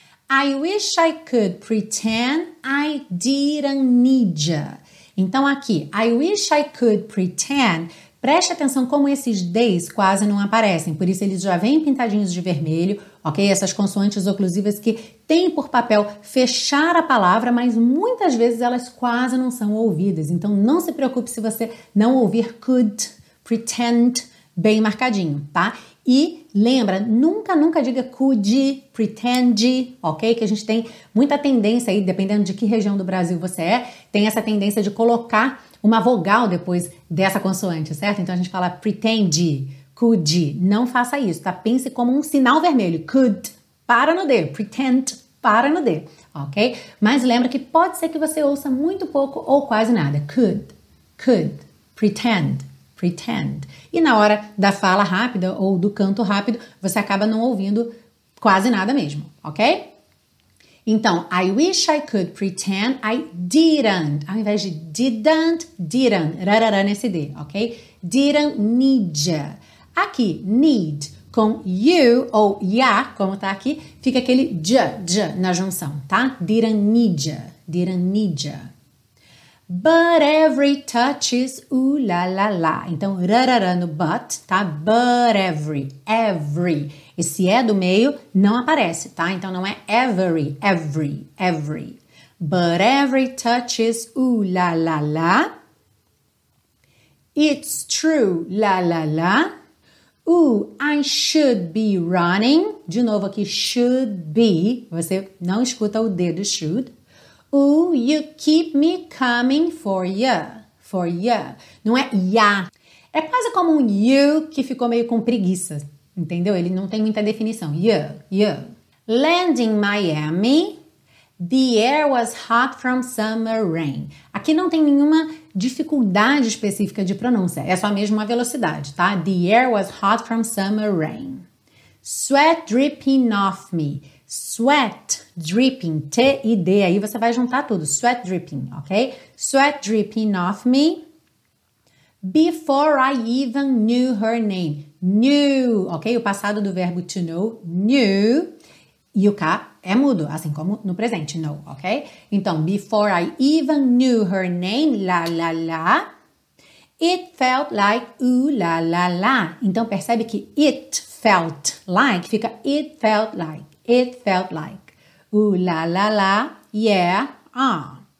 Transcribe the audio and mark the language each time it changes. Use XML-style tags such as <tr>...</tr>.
<en>I wish I could pretend I didn't need you.</en> <pt>Então, aqui,</pt> <en>I wish I could pretend.</en> <pt>Preste atenção como esses D's quase não aparecem, por isso eles já vêm pintadinhos de vermelho, ok? Essas consoantes oclusivas que têm por papel fechar a palavra, mas muitas vezes elas quase não são ouvidas. Então não se preocupe se você não ouvir could, pretend, bem marcadinho, tá? E lembra, nunca, nunca diga could, pretend, ok? Que a gente tem muita tendência aí, dependendo de que região do Brasil você é, tem essa tendência de colocar uma vogal depois dessa consoante, certo? Então a gente fala pretend, could, não faça isso, tá? Pense como um sinal vermelho, could, para no D, pretend, para no D, ok? Mas lembra que pode ser que você ouça muito pouco ou quase nada, could, could, pretend, pretend. E na hora da fala rápida ou do canto rápido, você acaba não ouvindo quase nada mesmo, ok?</pt> <en>Então, I wish I could pretend I didn't,</en> <pt>ao invés de</pt> <en>didn't, didn't, rarara nesse D, ok? Didn't need ya.</en> <pt>Aqui, need, com you ou ya, como tá aqui, fica aquele j na junção, tá?</pt> <en>Didn't need ya, didn't need ya. But every touch is ooh la la la.</en> <pt>Então, rarara no but, tá? But every, every. Esse é do meio, não aparece, tá? Então, não é every, every, every.</pt> <en>But every touch is ooh la la la. It's true, la la la. Ooh, I should be running.</en> <pt>De novo aqui, should be. Você não escuta o D do should.</pt> <en>Ooh, you keep me coming for ya, for ya.</en> <pt>Não é ya. É quase como um you que ficou meio com preguiça, entendeu? Ele não tem muita definição.</pt> <en>Ya, ya. Land in Miami, the air was hot from summer rain.</en> <pt>Aqui não tem nenhuma dificuldade específica de pronúncia. É só mesmo uma velocidade, tá?</pt> <en>The air was hot from summer rain. Sweat dripping off me.</en> <pt>Sweat dripping, T e D, aí você vai juntar tudo, sweat dripping, ok?</pt> <en>Sweat dripping off me, before I even knew her name, knew, ok?</en> <pt>O passado do verbo to know, knew, e o K é mudo, assim como no presente, know, ok? Então,</pt> <en>before I even knew her name, la la la, it felt like ooh la la la.</en> <pt>Então, percebe que</pt> <en>it felt like, fica it felt like. It felt like, ooh, la, la, la, yeah, ah.</en>